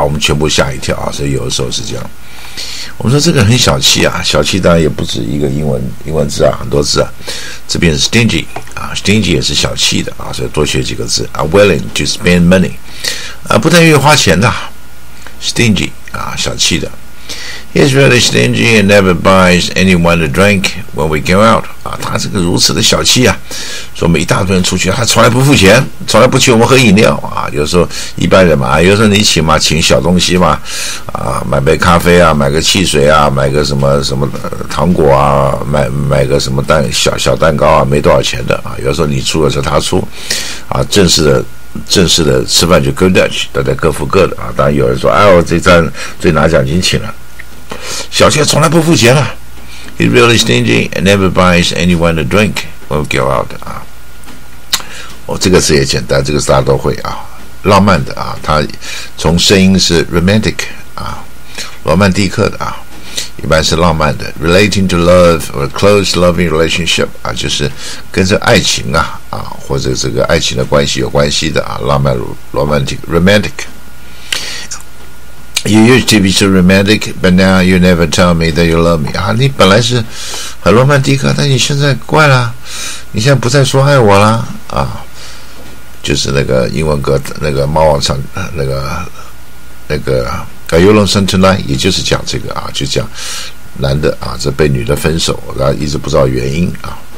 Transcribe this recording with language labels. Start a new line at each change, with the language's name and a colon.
Chinese: 我们全部吓一跳啊！所以有的时候是这样。我们说这个很小气啊，小气当然也不止一个英文字啊，很多字啊。这边是 stingy 啊 ，stingy 也是小气的啊，所以多学几个字啊。
English: Willing to spend money
Chinese: 啊，不太愿意花钱的 stingy 啊，小气的。
English: He's really stingy and never buys anyone a drink when we go out.
Chinese: 啊，他这个如此的小气啊，说我们一大堆人出去，他从来不付钱，从来不请我们喝饮料啊。有时候一般人嘛，有时候你请嘛，请小东西嘛，啊，买杯咖啡啊，买个汽水啊，买个什么什么糖果啊，买个什么蛋小小蛋糕啊，没多少钱的啊。有时候你出的时候他出，啊，正式的吃饭就
English: go Dutch，
Chinese: 大家各付各的啊。当然有人说，哎，我这站最拿奖金请了。小谢从来不付钱了。
English: He's really stingy and never buys anyone a drink when we go out.
Chinese: 啊，哦，这个词也简单，这个词大家都会啊，浪漫的啊，它从声音是 romantic 啊，罗曼蒂克的啊，一般是浪漫的 ，
English: relating to love or close loving relationship
Chinese: 啊，就是跟这爱情啊或者这个爱情的关系有关系的啊，浪漫 romantic romantic。
English: You used to be so romantic, but now you never tell me that you love me.
Chinese: 啊，你本来是很罗曼蒂克，但你现在怪了，你现在不再说爱我了啊！就是那个英文歌，那个猫王唱那个
English: Are you lonesome tonight?
Chinese: 也就是讲这个啊，就讲男的啊，这被女的分手，然后一直不知道原因啊。